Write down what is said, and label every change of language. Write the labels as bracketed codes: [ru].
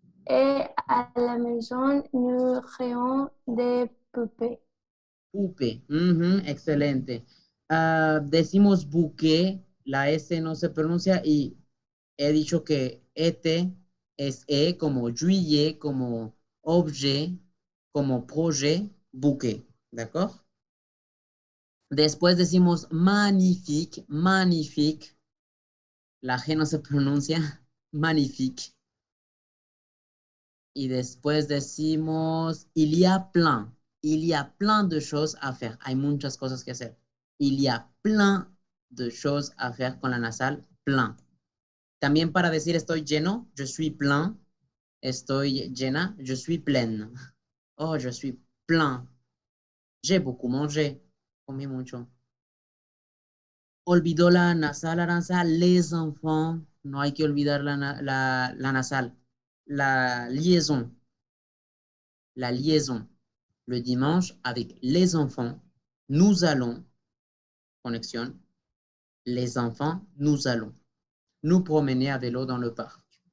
[fr] et à la maison, nous créons des Poupée. Poupée. Excelente. [es] Decimos bouquet, la S no se pronuncia y he dicho que ET es E como juillet, como objet, como projet, bouquet. ¿De acuerdo? Después decimos magnifique, magnifique. La G no se pronuncia, magnifique. Y después decimos, [fr] il y a plein de choses à faire. [es] Hay muchas cosas que hacer. [fr] Il y a plein de choses à faire [es] con la nasal, [fr] plein. [es] También para decir estoy lleno, [fr] je suis plein, [es] estoy llena, [fr] je suis pleine. Oh, je suis plein. J'ai beaucoup mangé, [es] comí mucho. Olvidó la nasal, [fr] Aranza, les enfants, [es] no hay que olvidar la nasal, [fr] la liaison, le dimanche avec les enfants, nous allons, [es] conexión, [fr] les enfants, nous allons, nous promener à vélo dans le parc.